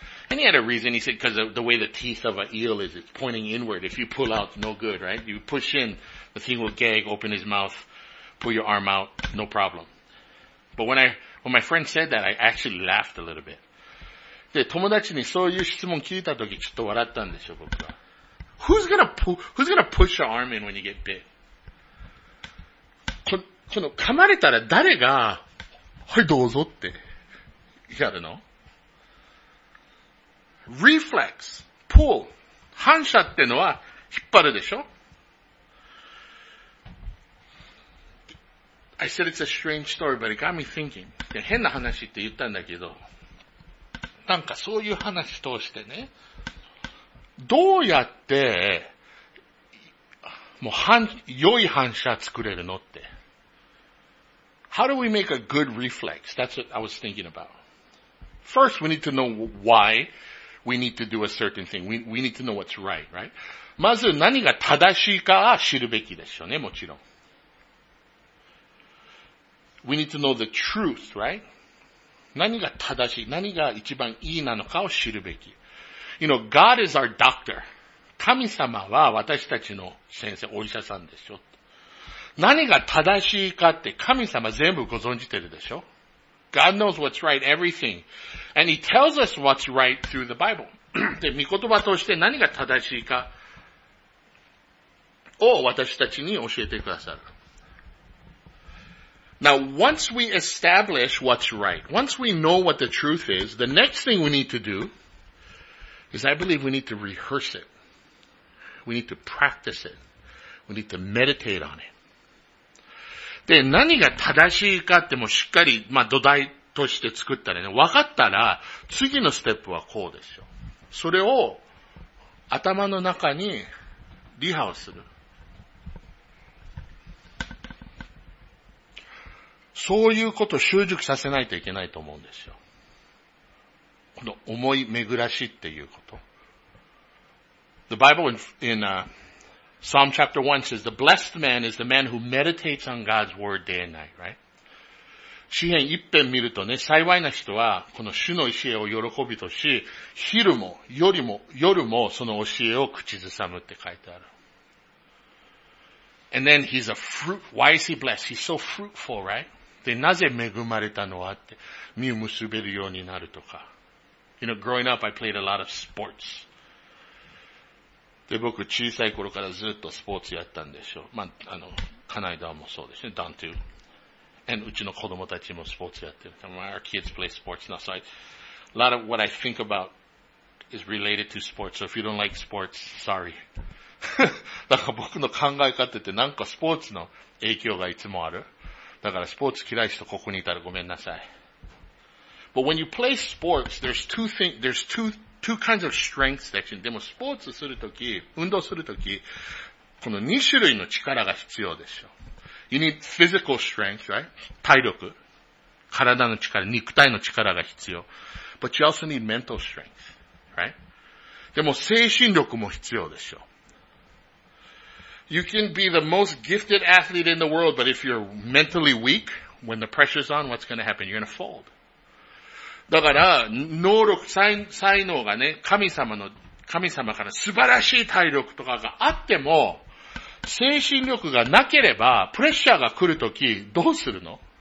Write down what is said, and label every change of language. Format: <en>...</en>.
<en>And he had a reason, he said, because of the way the teeth of an eel is, it's pointing inward. If you pull out, no good, right? You push in, the thing will gag, open his mouth, pull your arm out, no problem. But when my friend said that, I actually laughed a little bit.</en> <ja>で、友達にそういう質問聞いたとき、ちょっと笑ったんですよ、僕は。</ja> <en>Who's gonna push your arm in when you get bit?</en> <ja>この噛まれたら誰が、はい、どうぞって、やるの？</ja> <en>Reflex, pull.</en> <ja>反射ってのは引っ張るでしょ？</ja> <en>I said it's a strange story, but it got me thinking.</en> <ja>変な話って言ったんだけど、なんかそういう話通してね、どうやって、もう良い反射作れるのって。</ja> <en>How do we make a good reflex? That's what I was thinking about. First, we need to know why. We need to do a certain thing. We need to know what's right, right?</en> <ja>まず何が正しいかは知るべきでしょうね、もちろん。</ja> <en>We need to know the truth, right?</en> <ja>何が正しい、何が一番いいなのかを知るべき。</ja> <en>You know, God is our doctor.</en> <ja>神様は私たちの先生、お医者さんでしょ。何が正しいかって神様全部ご存じてるでしょ。</ja> <en>God knows what's right, everything. And He tells us what's right through the Bible.</en> <ja>で、御言葉として何が正しいかを私たちに教えてくださる。</ja> <en>Now, once we establish what's right, once we know what the truth is, the next thing we need to do is I believe we need to rehearse it. We need to practice it. We need to meditate on it.</en> <ja>で、何が正しいかってもしっかり、まあ、土台として作ったらね、分かったら、次のステップはこうですよ。それを、頭の中に、リハをする。そういうことを習熟させないといけないと思うんですよ。この思い巡らしっていうこと。</ja> <en>The Bible in Psalm chapter 1 says, the blessed man is the man who meditates on God's word day and night, right?</en> <ja>詩篇一篇見るとね、幸いな人は、この主の教えを喜びとし、昼も、夜もその教えを口ずさむって書いてある。</ja> <en>And then he's a fruit, why is he blessed? He's so fruitful, right?</en> <ja>で、なぜ恵まれたのはって、実を結べるようになるとか。</ja> <en>You know, growing up, I played a lot of sports.</en> <ja>で、僕、小さい頃からずっとスポーツやったんでしょう。まあ、あの、カナイダーもそうですね、ダントゥー。 And うちの子供たちもスポーツやってる。</ja> <en>My kids play sports now, so a lot of what I think about is related to sports, so if you don't like sports, sorry.</en> <ja>だから僕の考え方ってなんかスポーツの影響がいつもある。だからスポーツ嫌い人ここにいたらごめんなさい。</ja> <en>But when you play sports, there's two kinds of strengths that you,</en> <ja>でもスポーツするとき、運動するとき、この二種類の力が必要でしょ。</ja> <en>You need physical strength, right?</en> <ja>体力。体の力、肉体の力が必要。</ja> <en>But you also need mental strength, right?</en> <ja>でも精神力も必要でしょ。</ja> <en>You can be the most gifted athlete in the world, but if you're mentally weak, when the pressure's on, what's going to happen? You're going to fold.</en> <ja>だから、能力、才能がね、神様から素晴らしい体力とかがあっても、精神力がなければ、プレッシャーが来るとき、どうするの？</ja>